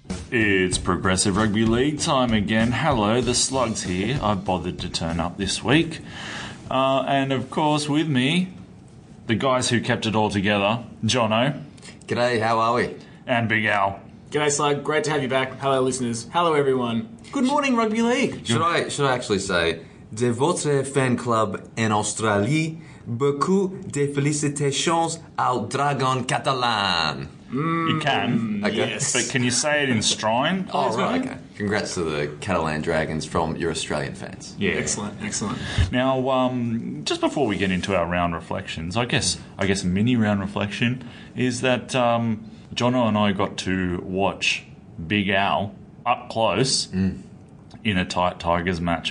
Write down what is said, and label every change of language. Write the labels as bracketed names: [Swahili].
[English] It's Progressive Rugby League time again. Hello, the Slugs here. I've bothered to turn up this week. And of course, with me, the guys who kept it all together, Jono. G'day, how are we? And Big Al. G'day, Slug. Great to have you back. Hello, listeners. Hello, everyone. Good morning, Rugby League. Should I actually say, [French] de votre fan club en Australie, beaucoup de félicitations au Dragon Catalan. [English] You can. Okay. Yes. But can you say it in Strine? Oh, right. Okay. Congrats to the Catalan Dragons from your Australian fans. Yeah. Excellent. Now, just before we get into our round reflections, I guess a mini round reflection is that... Jono and I got to watch Big Al up close in a tight Tigers match.